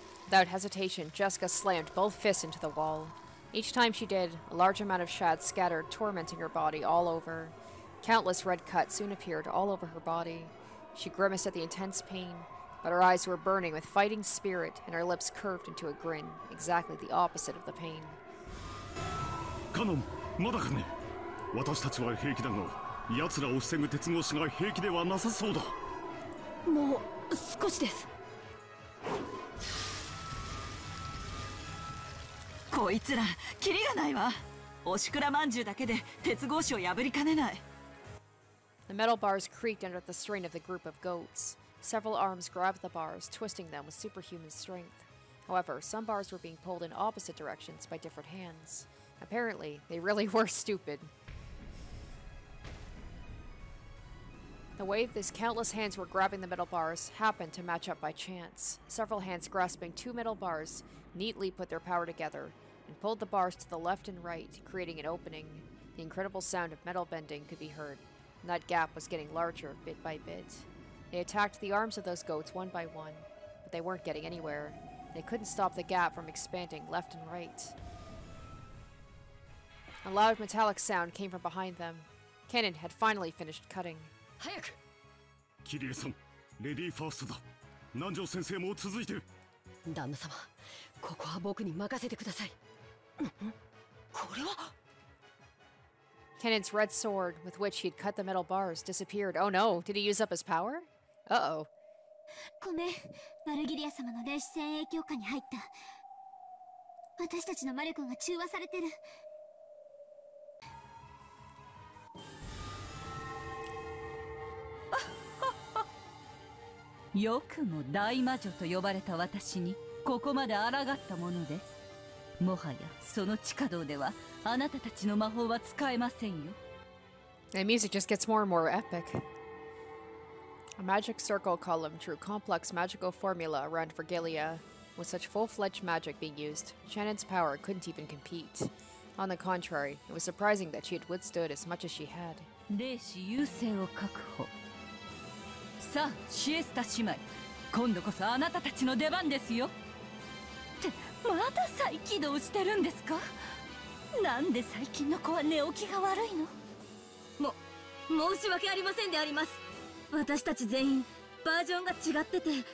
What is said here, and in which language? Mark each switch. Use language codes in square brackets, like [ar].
[en] Without hesitation, Jessica slammed both fists into the wall. Each time she did, a large amount of shad scattered, tormenting her body all over. Countless red cuts soon appeared all over her body. She grimaced at the intense pain. But her eyes were burning with fighting spirit, and her lips curved into a grin, exactly the opposite of the pain. [ja] Kanon, まだかね。私たちは平気だが、やつらを防ぐ鉄格子が平気ではなさそうだ。もう少しです。こいつら、キリがないわ。おしくらまんじゅうだけで鉄格子を破りかねない。 [en] The metal bars creaked under the strain of the group of goats. Several arms grabbed the bars, twisting them with superhuman strength. However, some bars were being pulled in opposite directions by different hands. Apparently, they really were stupid. The way these countless hands were grabbing the metal bars happened to match up by chance. Several hands grasping two metal bars neatly put their power together and pulled the bars to the left and right, creating an opening. The incredible sound of metal bending could be heard, and that gap was getting larger bit by bit. They attacked the arms of those goats one by one, but they weren't getting anywhere. They couldn't stop the gap from expanding left and right. A loud metallic sound came from behind them. Cannon had finally finished cutting. [ja] 早く！キリエさん、レディーファーストだ。南條先生も続いて。旦那様、ここは僕に任せてください。これは？ [en] Cannon's red sword, with which he'd cut the metal bars, disappeared. Oh no, did he use up his power? [ja] ごめん、バルギリア様の霊視線影響下に入った。私たちの魔力が中和されてる。よくも大魔女と呼ばれた私にここまで抗ったものです。もはやその地下道ではあなたたちの魔法は使えませんよ。 [en] The music just gets more and more epic. A magic circle column drew complex magical formula around Virgilia. With such full-fledged magic being used, Shannon's power couldn't even compete. On the contrary, it was surprising that she had withstood as much as she had. [ja] で、優勢を確保。さあ、シエスタ姉妹、今度こそあなたたちの出番ですよ。って、まだ再起動してるんですか？なんで最近の子は寝起きが悪いの？申し訳ありませんであります。私たち全員、バージョンが違ってて。